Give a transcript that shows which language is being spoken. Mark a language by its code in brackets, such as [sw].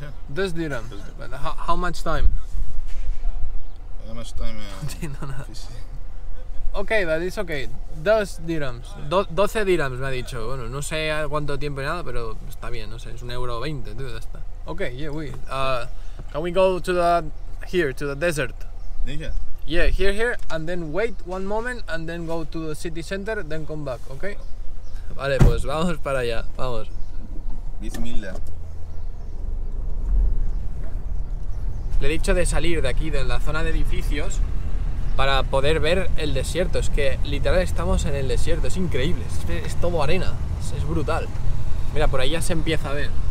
[en] yeah. 2 dirhams. But how much time? How much time? No, no. Okay, but it's okay. 2 dirhams. [es] 12 dirhams me ha dicho. Bueno, no sé cuánto tiempo y nada, pero está bien, no sé, es 1,20 €, tío, ya está. [en] Okay, yeah, we. Can we go to the here to the desert? Yeah. Yeah, here and then wait one moment and then go to the city center, then come back, okay? [es] Vale, pues vamos para allá, vamos. [ar] Bismillah. [es] Le he dicho de salir de aquí, de la zona de edificios, para poder ver el desierto. Es que literal estamos en el desierto, es increíble. Es todo arena, es brutal. Mira, por ahí ya se empieza a ver.